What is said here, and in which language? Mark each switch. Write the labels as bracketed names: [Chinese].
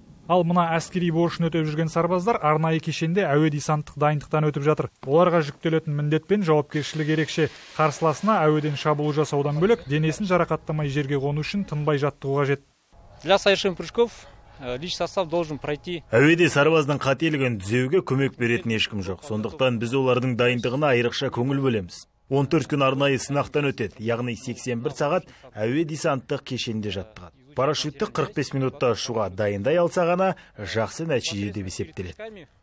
[Kazakh] Ал мына әскери борышын өтеп жүрген сарбаздар арнайы кешенде әуе десанттық дайындықтан өтіп жатыр. Оларға жүктелетін міндет пен жауапкершілік ерекше. Қарсыласына әуеден шабуыл жасаудан бөлек денесін жарақаттамай жерге қону үшін тынбай жаттығу қажет. [Russian] Для совершения прыжков личный состав должен пройти. [Kazakh] Әуеде сарбаздың қателігін түзеуге көмек беретін ешкім жоқ. Сондықтан біз олардың дайындығына айрықша көңіл бөлеміз. 14 күн арнайы сынақтан өтеді, яғни 81 сағат әуе десанттық кешенде жаттығады. Парашютті 45 минутта ұшуға дайындай алса ғана жақсы нәтиже деп есептеледі.